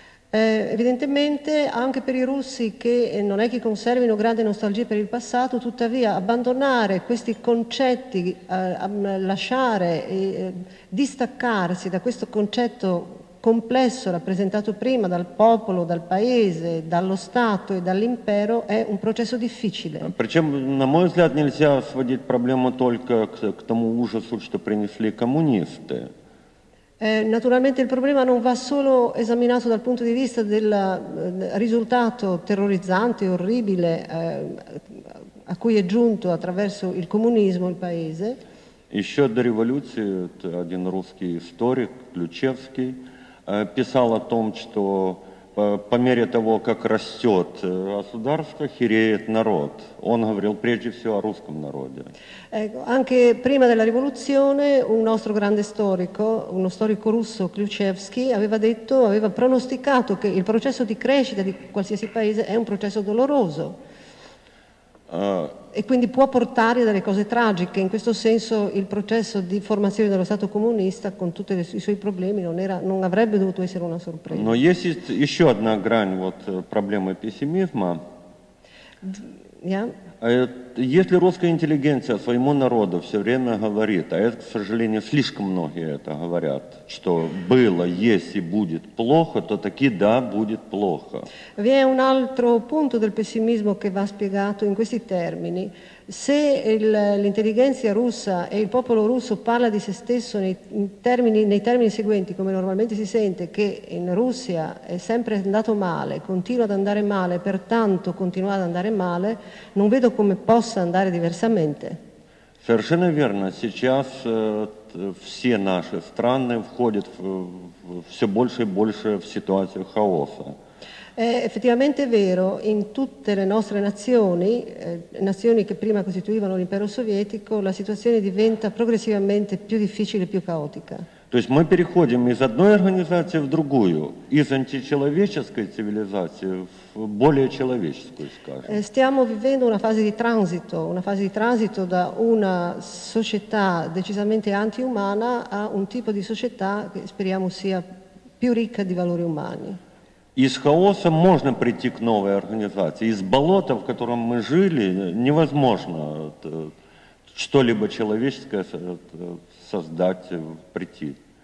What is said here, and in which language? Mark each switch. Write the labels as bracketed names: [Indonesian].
[Italian] Evidentemente anche per i russi, che non è che conservino grande nostalgia per il passato, tuttavia abbandonare questi concetti, lasciare e distaccarsi da questo concetto complesso rappresentato prima dal popolo, dal paese, dallo Stato e dall'impero, è un processo difficile. [Russian] Причем, на мой взгляд, нельзя сводить проблему только к тому ужасу, что принесли коммунисты. [Italian] Naturalmente il problema non va solo esaminato dal punto di vista del risultato terrorizzante e orribile a cui è giunto attraverso il comunismo il paese. [Russian] Еще до революции один русский историк Ключевский писал о том, что по мере того, как растет государство, хереет народ. Он говорил прежде всего о русском народе. [Italian] Anche prima della rivoluzione un nostro grande storico, uno storico russo, Ključevski, aveva pronosticato che il processo di crescita di qualsiasi paese è un processo doloroso. E quindi può portare delle cose tragiche. In questo senso il processo di formazione dello Stato comunista, con tutti i suoi problemi, non avrebbe dovuto essere una sorpresa. [Russian] Но есть еще одна грань вот проблемы пессимизма. [English] Yeah. [Russian] если русская интеллигенция своему народу все время говорит, а это, к сожалению, слишком многие это говорят, что было, есть и будет плохо, то таки да, будет плохо. [Italian] Vi è un altro punto del pessimismo che va spiegato in questi termini. Se l'intelligenza russa e il popolo russo parla di se stesso nei termini seguenti, come normalmente si sente, che in Russia è sempre andato male, continua ad andare male, pertanto continua ad andare male, non vedo come possa andare diversamente. [Russian] Совершенно верно. Сейчас все наши страны входят все больше и больше в ситуацию хаоса. [Italian] È effettivamente vero, in tutte le nostre nazioni, nazioni che prima costituivano l'impero sovietico, la situazione diventa progressivamente più difficile e più caotica. [Russian] То есть мы переходим из одной организации в другую, из античеловеческой цивилизации в более человеческую, скажем. [Italian] Stiamo vivendo una fase di transito da una società decisamente antiumana a un tipo di società che speriamo sia più ricca di valori umani. [Russian] Из хаоса можно прийти к новой организации. Из болота, в котором мы жили, невозможно что-либо человеческое создать, прийти.